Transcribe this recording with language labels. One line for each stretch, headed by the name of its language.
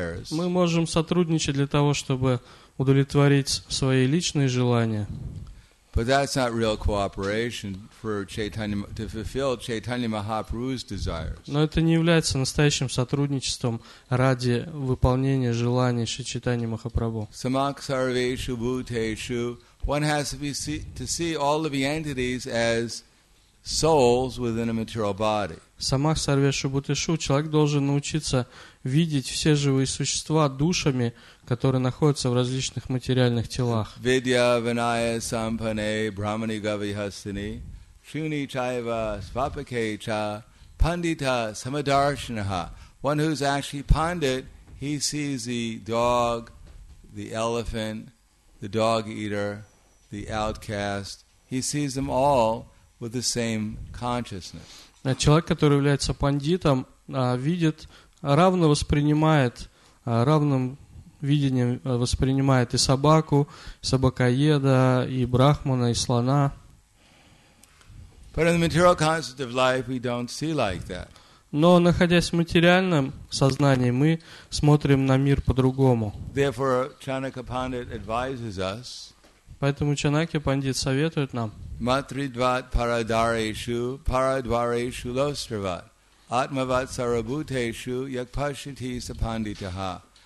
Russian: Мы можем сотрудничать для того, чтобы удовлетворить свои личные желания.
English: But that's not real cooperation for Chaitanya to fulfill Chaitanya Mahaprabhu's desires.
Russian: Но это не является настоящим сотрудничеством ради выполнения желаний Шри Чайтаньи Махапрабху.
Sanskrit: Samak sarveshu bhuteshu,
English: one has to see all of the entities as souls within a material body.
Sanskrit: Samak sarveshu bhuteshu,
Russian: человек должен научиться видеть все живые существа душами, которые находятся в различных материальных телах.
Sanskrit: Vidya vinaya sampane brahmani gavihasini shuni chaiva svapake cha pandita samadarshanaha.
English: One who's actually pandit, he sees the dog, the elephant, the dog eater, the outcast. He sees them all with the same consciousness.
Russian: Человек, который является пандитом, видит, равно воспринимает, равным видением воспринимает и собаку, и собакоеда, и брахмана, и слона.
English: But in the material concept of life, we don't see like that.
Russian: Но находясь в материальном сознании, мы смотрим на мир по-другому.
English: Therefore, Chanaka Pandit advises us.
Russian: Поэтому Чанакья Пандит советует нам.
Sanskrit: Матридват парадарешу, парадварешу лостриват. Атмават сарабутешу, якпашити сапандитаха.